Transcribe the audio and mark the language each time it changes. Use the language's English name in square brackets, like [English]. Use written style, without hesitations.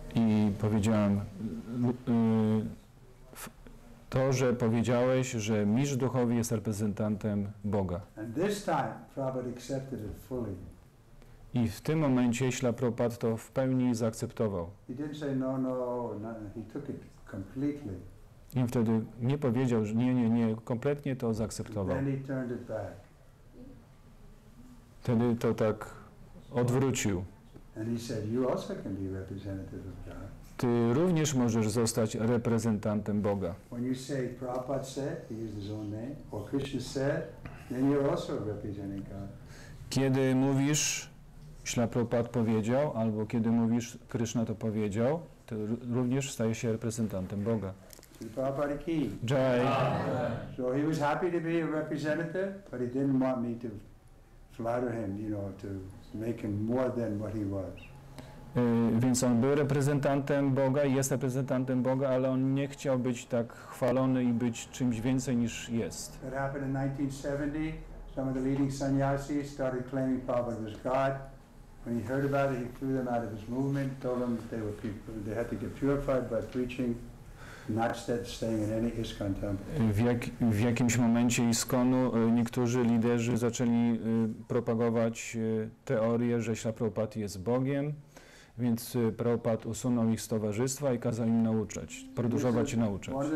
[Polish] I powiedziałem, to, że powiedziałeś, że mistrz duchowy jest reprezentantem Boga. [English] And this time, Prabhupada accepted it fully. [Polish] I w tym momencie Śla Prabhupada to w pełni zaakceptował. [English] He didn't say no, no, no, he took it completely. [Polish] I wtedy nie powiedział, że nie, nie, nie, kompletnie to zaakceptował. [English] And then he turned it back. [Polish] Wtedy to tak odwrócił. [English] And he said, you also can be representative of God. [Polish] Ty również możesz zostać reprezentantem Boga. [English] When you say Prabhupada said, he used his own name, or Krishna said, then you're also representing God. [Polish] Kiedy mówisz, Śla Prabhupada powiedział, albo kiedy mówisz, Krishna to powiedział, to również stajesz się reprezentantem Boga. [Hindi] Śla Prabhupada ki. Jai. [English] So he was happy to be a representative, but he didn't want me to flatter him, you know, to make him more than what he was. [Polish] Więc on był reprezentantem Boga i jest reprezentantem Boga, ale on nie chciał być tak chwalony i być czymś więcej niż jest. [English] It happened in 1970. Some of the leading sannyasis started claiming Prabhupada was God. When he heard about it, he threw them out of his movement, told them that they were people, they had to get purified by preaching, not staying in any ISKCON temple. [Polish] W jakimś momencie ISKCON-u niektórzy liderzy zaczęli propagować teorię, że Śla Prabhupada jest Bogiem. Więc Prabhupada usunął ich z towarzystwa i kazał im nauczać, produkować i nauczać.